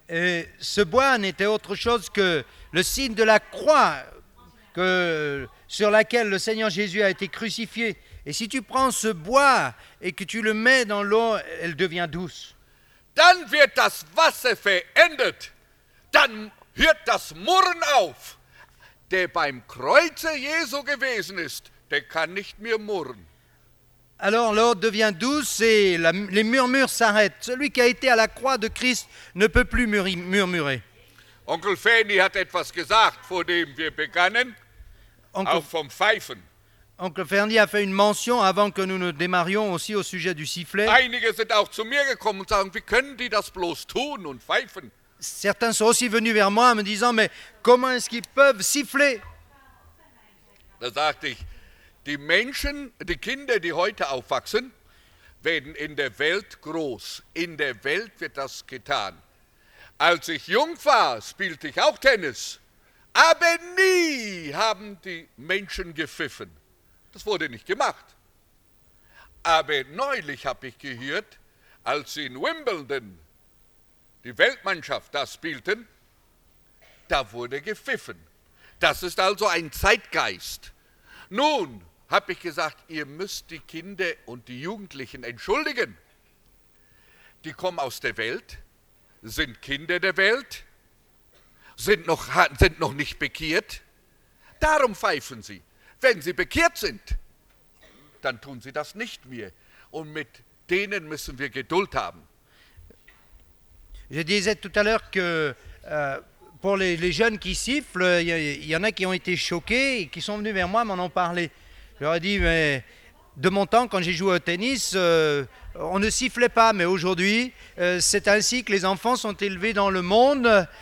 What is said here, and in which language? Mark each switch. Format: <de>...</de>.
<fr>Et ce bois n'était autre chose que le signe de la croix, que sur laquelle le Seigneur Jésus a été crucifié. Et si tu prends ce bois et que tu le mets dans l'eau, elle devient douce.</fr> <de>Dann wird das Wasser verändert. Dann hört das Murren auf. Der beim Kreuze Jesu gewesen ist, der kann nicht mehr murren.</de> <fr>Alors l'eau devient douce et les murmures s'arrêtent. Celui qui a été à la croix de Christ ne peut plus murmurer.</fr> <de>Onkel Fanny hat etwas gesagt, vor dem wir begannen. Onkel, auch vom Pfeifen.</de> <fr>Onkel Ferny a fait une mention avant que nous ne démarrions aussi au sujet du sifflet.</fr> <de>Einige sind auch zu mir gekommen und sagen, wie können die das bloß tun und pfeifen?</de> <fr>Certains sont aussi venus vers moi en me disant, mais comment est-ce qu'ils peuvent siffler?</fr> <de>Da sagte ich, die Menschen, die Kinder, die heute aufwachsen, werden in der Welt groß. In der Welt wird das getan. Als ich jung war, spielte ich auch Tennis. Aber nie haben die Menschen gepfiffen. Das wurde nicht gemacht. Aber neulich habe ich gehört, als sie in Wimbledon die Weltmannschaft da spielten, da wurde gepfiffen. Das ist also ein Zeitgeist. Nun habe ich gesagt, ihr müsst die Kinder und die Jugendlichen entschuldigen. Die kommen aus der Welt, sind Kinder der Welt, sind noch nicht bekehrt. Darum pfeifen sie. Wenn sie bekehrt sind, dann tun sie das nicht mehr. Und mit denen müssen wir Geduld haben.</de> <fr>Je disais tout à l'heure que pour les jeunes qui sifflent, il y en a qui ont été choqués et qui sont venus vers moi m'en ont parlé. Je leur ai dit, mais de mon temps, quand j'ai joué au tennis, on ne sifflait pas. Mais aujourd'hui, c'est ainsi que les enfants sont élevés dans le monde.</fr>